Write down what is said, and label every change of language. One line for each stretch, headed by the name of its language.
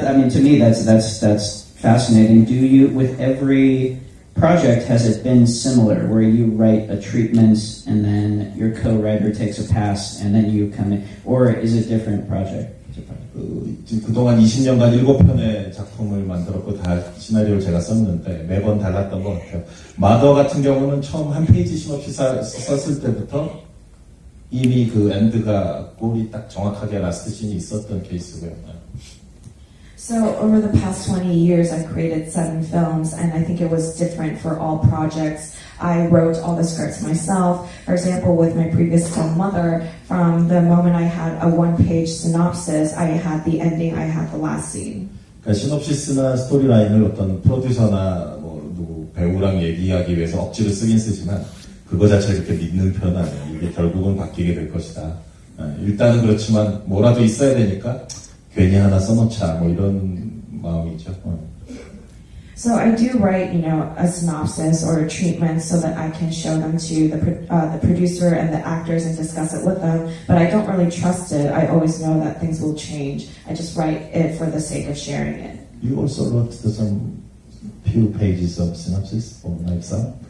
English: to me, that's fascinating. Do you, with every project, has it been similar, where you write a treatment and then your co-writer takes a pass and then you come in, or is it different project?
Korean: 그동안 20년간 7편의 작품을 만들었고 다 시나리오를 제가 썼는데 매번 달랐던 것 같아요. 마더 같은 경우는 처음 한 페이지씩 없이 썼을 때부터 이미 그 엔드가 꼴이 딱 정확하게 라스트 씬이 있었던 케이스고요.
English: So over the past 20 years, I've created 7 films, and I think it was different for all projects. I wrote all the scripts myself. For example, with my previous film, Mother, from the moment I had a one-page synopsis, I had the ending, I had the last scene.
Korean: 그러니까 시놉시스나 스토리라인을 어떤 프로듀서나 뭐 누구 배우랑 얘기하기 위해서 억지로 쓰긴 쓰지만 그거 자체를 그렇게 믿는 편은 아니에요. 이게 결국은 바뀌게 될 것이다. 일단은 그렇지만 뭐라도 있어야 되니까 괜히 하나 써놓자 뭐 이런 마음이죠.
English: So I do write, you know, a synopsis or a treatment so that I can show them to the producer and the actors and discuss it with them. But I don't really trust it. I always know that things will change. I just write it for the sake of sharing it. You also wrote some few pages of synopsis for Knives Out.